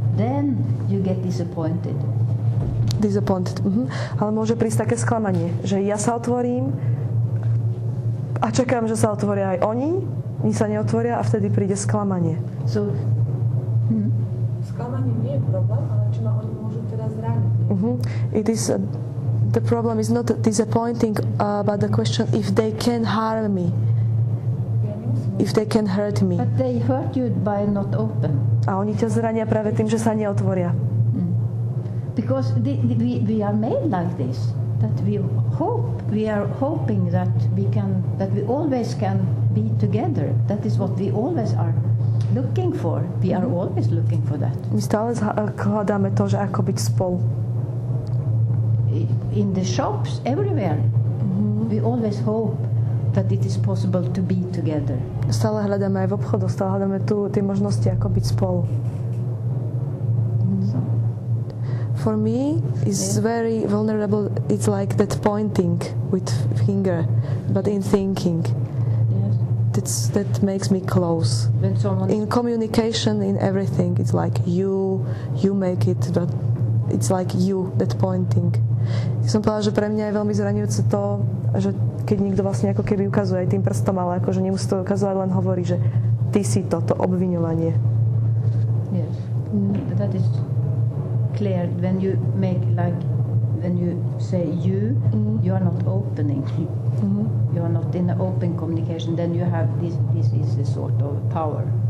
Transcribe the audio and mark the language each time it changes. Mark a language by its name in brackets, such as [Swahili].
[English] Then you get disappointed. Disappointed. Mm-hmm. [Slovak] Ale môže prísť také sklamanie, že ja sa otvorím. A čakám, že sa otvoria aj oni. Oni sa neotvoria a vtedy príde sklamanie. Sklamanie nie je problém, ale či ma oni môžu teda zraniť. [English] It is the problem is not disappointing, but the question if they can harm me. If they can hurt me. But they hurt you by not open. [Slovak] A oni ťa zrania práve tým, že sa neotvoria. [English] Because we are made like this. That we hope, we are hoping that we can, that we always can be together. That is what we always are looking for. We are always looking for that. [Slovak] My stále hľadáme to, že ako byť spolu. [English] In the shops, everywhere. Mm-hmm. We always hope that it is possible to be together. [Slovak] Stále hľadáme aj v obchodu, stále hľadáme tu tie možnosti, ako byť spolu. [English] For me, it's very vulnerable. It's like that pointing with finger, but in thinking. That's, that makes me close. When someone in communication, in everything, it's like you, you make it, but it's like you, that pointing. [Slovak] Som povedala, že pre mňa je veľmi zraňujúce to, že keď niekto vlastne ako keby ukazuje aj tým prstom, ale akože nemusí to ukazovať, len hovorí, že ty si to, to obviňovanie. [English] Yes, that is clear. When you make like, when you say you, you are not opening. You are not in an open communication, then you have this, this is a sort of power.